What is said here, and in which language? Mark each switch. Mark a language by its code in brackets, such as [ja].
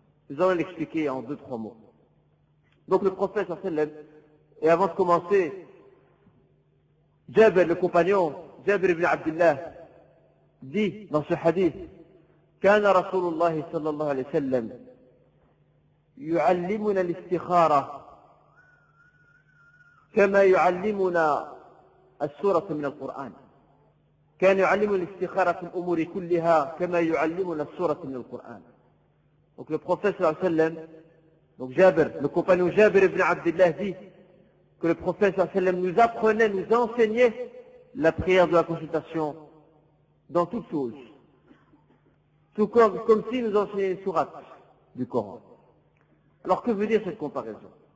[fr] Nous allons l'expliquer en deux, trois mots. Donc le prophète, sallallahu alayhi wa sallam, et avant de commencer, Jabir, le compagnon, Jabir ibn Abdullah, dit dans ce hadith, [ar] كان رسول الله صلى الله عليه وسلم يعلمنا الاستخارة كما يعلمنا السورة من القرآن. كان يعلمنا الاستخارة في الأمور كلها كما يعلمنا السورة من القرآن. [fr] Donc le prophète [ar] صلى الله عليه وسلم, [fr] donc Jabir, le compagnon Jabir ibn Abdullah dit que le prophète صلى الله عليه وسلم nous apprenait, nous enseignait la prière de la consultation dans toutes choses. Tout comme si nous enseignions les sourates du Coran. Alors que veut dire cette comparaison?